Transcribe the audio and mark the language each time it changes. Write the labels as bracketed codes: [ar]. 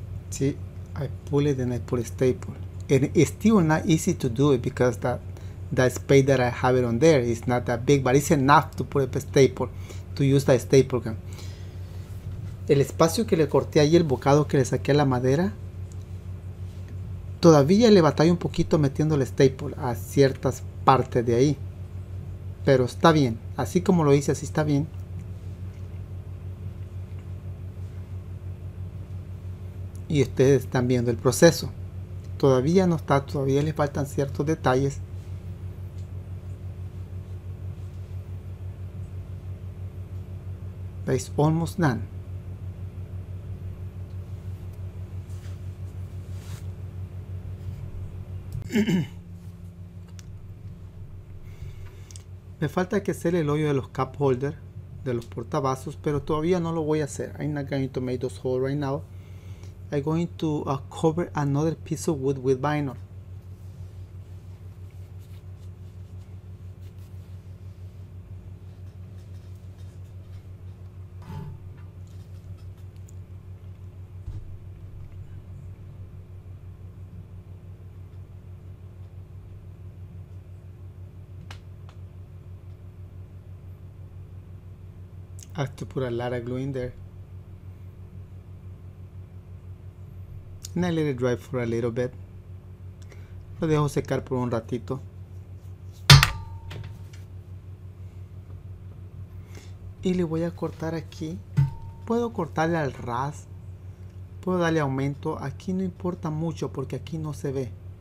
[en] See? I pull it and I put a staple. And it's still not easy to do it because that space that I have it on there is not that big, but it's enough to put up a staple, to use the staple gun. [es] El espacio que le corté ahí, el bocado que le saqué a la madera, todavía le batallo un poquito metiendo el staple a ciertas partes de ahí. Pero está bien, así como lo hice, así está bien. Y ustedes están viendo el proceso. Todavía no está, todavía le faltan ciertos detalles. [en] But it's almost done. [es] Me falta que hacer el hoyo de los cup holder, de los portavasos, pero todavía no lo voy a hacer. [en] I'm not going to make those holes right now. I'm going to cover another piece of wood with vinyl. I have to put a lot of glue in there. And I let it dry for a little bit. [es] Lo dejo secar por un ratito. Y le voy a cortar aquí. Puedo cortarle al ras. Puedo darle aumento. Aquí no importa mucho porque aquí no se ve.